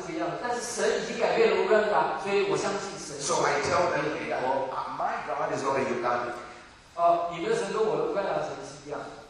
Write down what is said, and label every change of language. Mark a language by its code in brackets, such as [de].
[zh] 所以，因为甚至乌干达是不一样的，但是神已经改变了乌干达，所以我相信神。 [en] So I tell them, my God is not a Ugandan. [zh] 你们的神跟我的乌干达神是一样的。